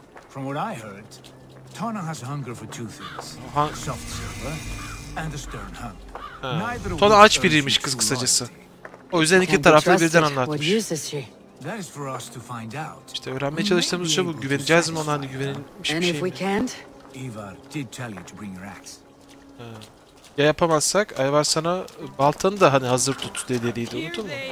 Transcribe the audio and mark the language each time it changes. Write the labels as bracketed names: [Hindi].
[English] From what I heard, Tonna has hunger for two things. Soft silver and a stern hunt. [Turkish] Tonna aç biriymiş kız kısacası. O yüzden iki tarafı birden anlatmış. [English] That is for us to find out. [Turkish] İşte öğrenmeye çalıştığımız şey bu. Güveneceğiz mi ona? Hani güvenilmiş bir şey mi? [English] And if we can't, Ivar did tell you to bring your axe. [Turkish] Ya yapamazsak, Ivar sana baltanı da hani hazır tut dediydi, unutur mu?